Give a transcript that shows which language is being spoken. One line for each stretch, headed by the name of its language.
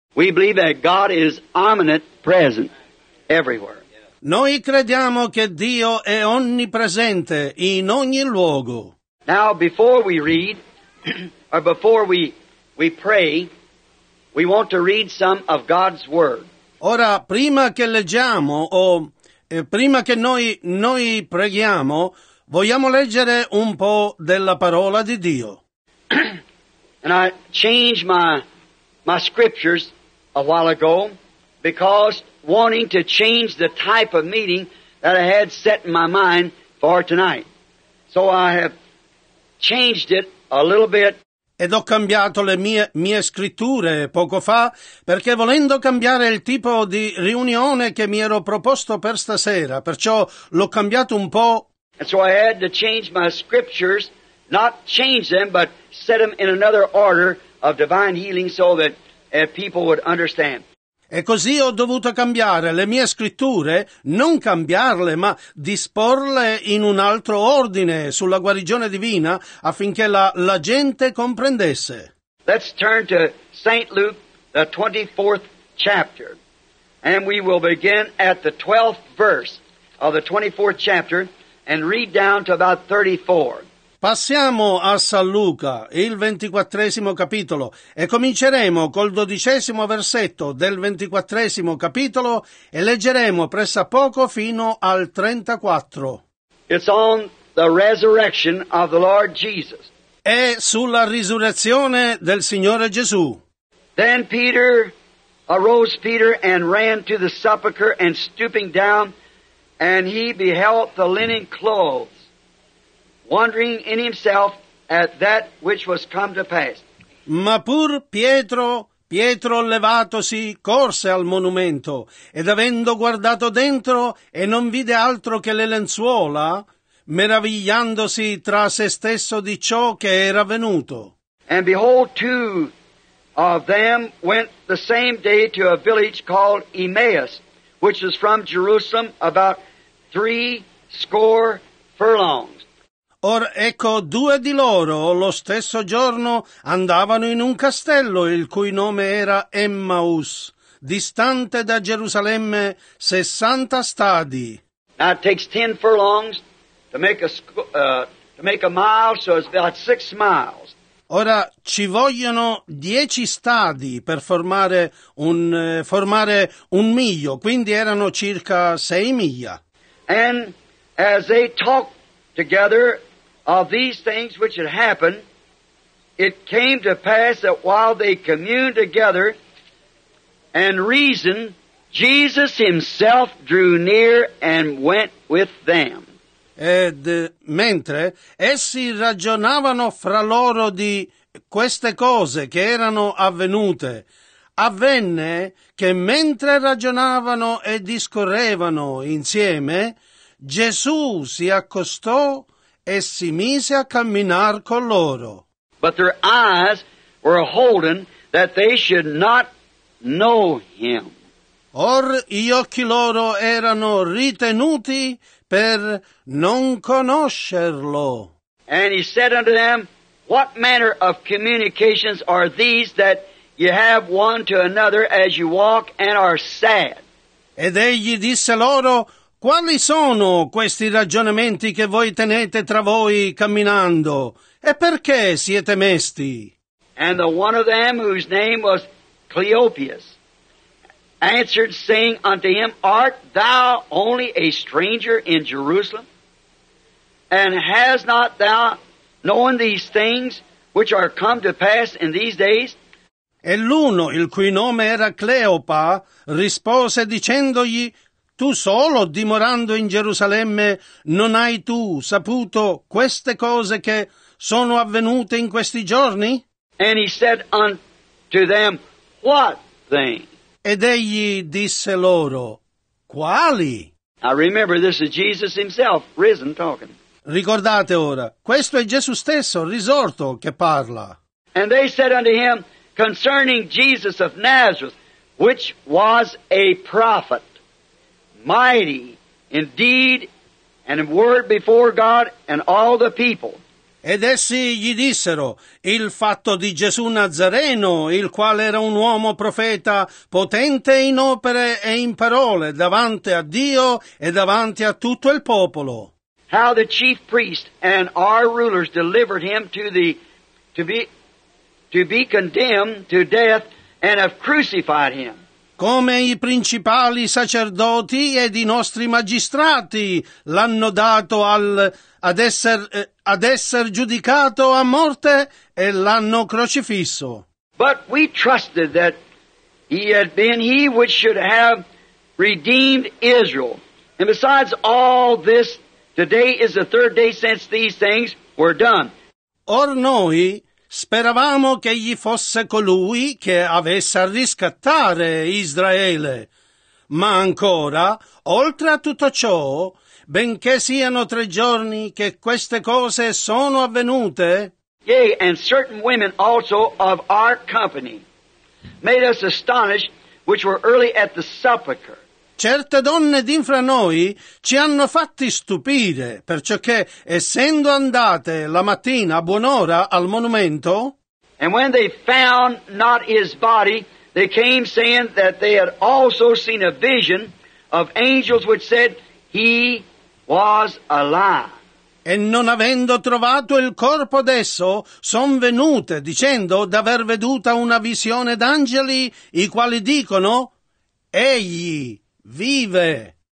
English: We believe that God is omnipotent, present everywhere.
Italian: Noi crediamo che Dio è onnipresente in ogni luogo.
English: Now before we read, or before we pray, we want to read some of God's word.
Italian: Ora, prima che leggiamo o prima che noi preghiamo, vogliamo leggere un po' della parola di Dio.
English: And I changed my scriptures a while ago because wanting to change the type of meeting that I had set in my mind for tonight. So I have changed it a little bit.
Italian: Ed ho cambiato le mie scritture poco fa, perché volendo cambiare il tipo di riunione che mi ero proposto per stasera, perciò l'ho cambiato un po'.
English: And so I had to change my scriptures, not change them, but set them in another order of divine healing so that people would understand.
Italian: E così ho dovuto cambiare le mie scritture, non cambiarle, ma disporle in un altro ordine sulla guarigione divina affinché la gente comprendesse.
English: Let's turn to St. Luke, the 24th chapter, and we will begin at the 12th verse of the 24th chapter and read down to about 34.
Italian: Passiamo a San Luca, il 24esimo capitolo, e cominceremo col 12esimo versetto del 24esimo capitolo e leggeremo pressa poco fino al 34.
English: It's on the resurrection of the Lord Jesus.
Italian: È sulla risurrezione del Signore Gesù.
English: Then Peter arose Peter and ran to the sepulcher and stooping down and he beheld the linen clothes. Wondering in himself at that which was come to pass.
Italian: Ma pur Pietro levatosi, corse al monumento, ed avendo guardato dentro, e non vide altro che le lenzuola, meravigliandosi tra se stesso di ciò che era avvenuto.
English: And behold, two of them went the same day to a village called Emmaus, which was from Jerusalem about 70 furlongs.
Italian: Or ecco due di loro lo stesso giorno andavano in un castello il cui nome era Emmaus, distante da Gerusalemme 60 stadi.
English: Now it takes 10 furlongs to make a mile, so it's about 6 miles.
Italian: Ora ci vogliono 10 stadi per formare un miglio, quindi erano circa 6 miglia.
English: And as they talked together of these things which had happened, it came to pass that while they communed together and reasoned, Jesus himself drew near and went with them.
Italian: Ed mentre essi ragionavano fra loro di queste cose che erano avvenute, avvenne che mentre ragionavano e discorrevano insieme, Gesù si accostò e si mise a camminar con loro.
English: But their eyes were holding that they should not know him.
Italian: Or gli occhi loro erano ritenuti per non conoscerlo.
English: And he said unto them, what manner of communications are these that you have one to another as you walk and are sad?
Italian: Ed egli disse loro, Quali sono questi ragionamenti che voi tenete tra voi camminando? E perché siete mesti?
English: And the one of them whose name was Cleopas answered, saying unto him, Art thou only a stranger in Jerusalem? And has not thou known these things which are come to pass in these days?
Italian: E l'uno, il cui nome era Cleopa, rispose dicendogli, Tu solo, dimorando in Gerusalemme, non hai tu saputo queste cose che sono avvenute in questi giorni?
English: And he said unto them, What thing?
Italian: Ed egli disse loro, Quali?
English: I remember this is Jesus himself risen talking.
Italian: Ricordate ora, questo è Gesù stesso risorto che parla.
English: And they said unto him, Concerning Jesus of Nazareth, which was a prophet, mighty in deed and in word before God and all the people.
Italian: Ed essi gli dissero, il fatto di Gesù Nazareno, il quale era un uomo profeta, potente in opere e in parole, davanti a Dio e davanti a tutto il popolo.
English: How the chief priests and our rulers delivered him to be condemned to death and have crucified him.
Italian: Come i principali sacerdoti ed i nostri magistrati l'hanno dato ad essere giudicato a morte e l'hanno crocifisso.
English: But we trusted that he had been he which should have redeemed Israel. And besides all this, today is the third day since these things were done.
Italian: Or noi speravamo che egli fosse colui che avesse a riscattare Israele. Ma ancora, oltre a tutto ciò, benché siano tre giorni che queste cose sono avvenute,
English: yea, and certain women also of our company made us astonished, which were early at the sepulchre.
Italian: Certe donne d'infra noi ci hanno fatti stupire, perciò che, essendo andate la mattina a buon'ora al monumento,
English: and when they found not his body, they came saying that they had also seen a vision of angels which said he was alive.
Italian: E non avendo trovato il corpo d'esso, son venute dicendo d'aver veduta una visione d'angeli, i quali dicono, egli vive.